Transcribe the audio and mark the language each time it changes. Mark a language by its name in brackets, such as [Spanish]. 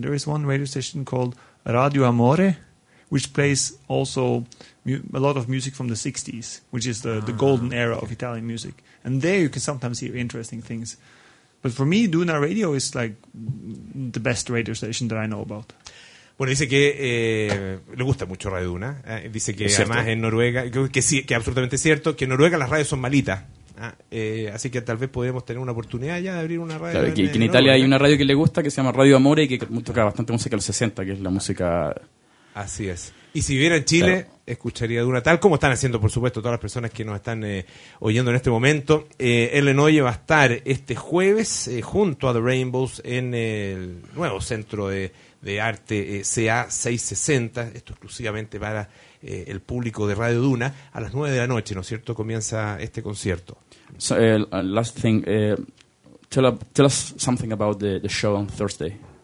[English] There is one radio station called Radio Amore, which plays also a lot of music from the 60s, which is the golden era of Italian music. And there you can sometimes hear interesting things. But for me, Duna Radio is like the best radio station that I know about. [Spanish] Bueno, dice que le gusta mucho Radio Duna. Dice que además en Noruega, que sí, que absolutamente cierto, que en Noruega las radios son malitas. Así que tal vez podemos tener una oportunidad ya de abrir una radio. Claro, que en Italia, ¿no?, hay una radio que le gusta que se llama Radio Amore y que toca bastante música de los 60, que es la música. Así es. Y si viviera en Chile, claro, escucharía de una, tal como están haciendo, por supuesto, todas las personas que nos están oyendo en este momento. Ellen Oye va a estar este jueves junto a The Rainbows en el nuevo centro de arte CA660. Esto exclusivamente para el público de Radio Duna. A las 9 de la noche, ¿no es cierto?, comienza este concierto. [English] So, last thing, tell us something about the show on Thursday.